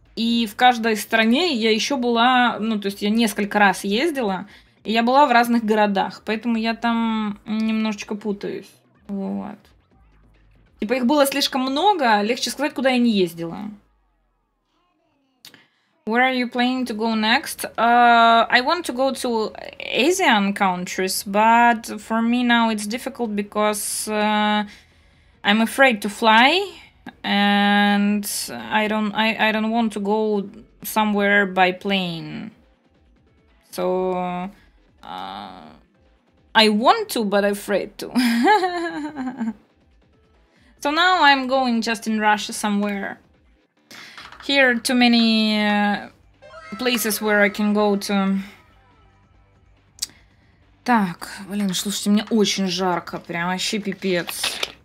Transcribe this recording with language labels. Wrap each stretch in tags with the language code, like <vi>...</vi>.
<ru>И в каждой стране я еще была... Ну, то есть я несколько раз ездила. И я была в разных городах. Поэтому я там немножечко путаюсь. Вот. Типа их было слишком много, легче сказать, куда я не ездила.</ru> <en>Where are you planning to go next? I want to go to Asian countries, but for me now it's difficult because I'm afraid to fly and I don't want to go somewhere by plane. So I want to, but I'm afraid to. So now I'm going just in Russia somewhere. Here are too many places where I can go to.</en> <ru>Так, блин, слушайте, мне очень жарко, прям вообще пипец.</ru>